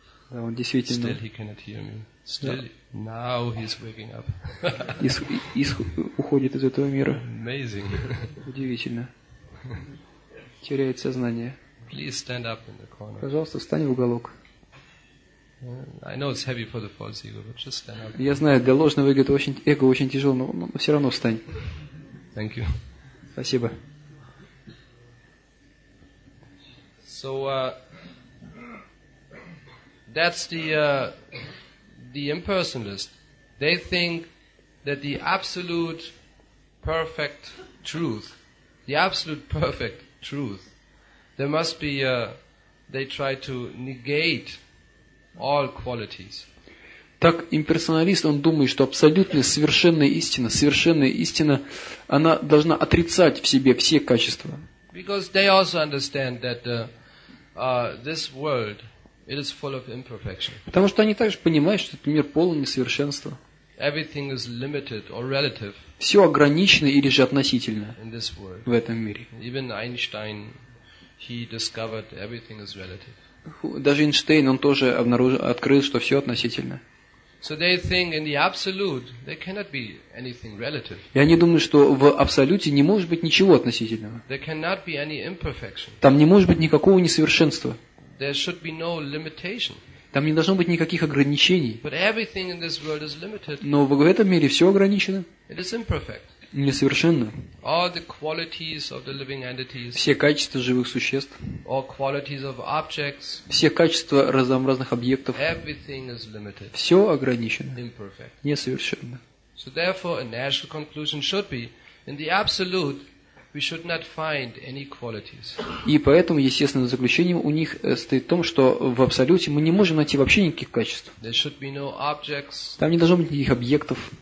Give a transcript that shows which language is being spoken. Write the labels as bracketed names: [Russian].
[Russian] Да, он действительно. [English] Still he cannot hear me. Still, yeah. Now he's waking up. [Russian] Уходит из этого мира. [English] Amazing. [Russian] Удивительно. Теряет сознание. [English] Please stand up in the corner. [Russian] Пожалуйста, встань в уголок. [English] I know it's heavy for the false ego, but just stand up. [Russian] Я знаю, для ложного эго это очень, эго очень тяжело, но все равно встань. [English] Thank you. [Russian] Спасибо. [English] So, that's the impersonalist. They think that the absolute perfect truth, the absolute perfect truth, there must be, they try to negate all qualities. [Russian] Так имперсоналист, он думает, что абсолютная, совершенная истина, она должна отрицать в себе все качества. [English] Because they also understand that this world, it is full of imperfection. [Russian] Потому что они также понимают, что этот мир полон несовершенства. [English] Everything is limited or relative. [Russian] Все ограничено или же относительно [English] in this world. [Russian] В этом мире. [English] Even Einstein, he discovered everything is relative. [Russian] Даже Эйнштейн, он тоже обнаружил, открыл, что все относительно. [English] So they think in the absolute, there cannot be anything relative. [Russian] И они думают, что в абсолюте не может быть ничего относительного. [English] There cannot be any imperfection. [Russian] Там не может быть никакого несовершенства. [English] There should be no limitation. [Russian] Там не должно быть никаких ограничений. [English] But everything in this world is limited. [Russian] Но в этом мире все ограничено. [English] It is imperfect. [Russian] Несовершенно. [English] All the qualities of the living entities, [Russian] все качества живых существ. [English] All qualities of objects, [Russian] все качества разнообразных объектов. [English] Everything is limited. [Russian] Все ограничено. [English] Imperfect. [Russian] Несовершенно. [English] So therefore, a natural conclusion should be, in the absolute, we should not find any qualities. [Russian] И поэтому естественным заключением у них стоит в том, что в абсолюте мы не можем найти вообще никаких качеств. [English] There should be no objects. [Russian] Там не должно быть никаких объектов.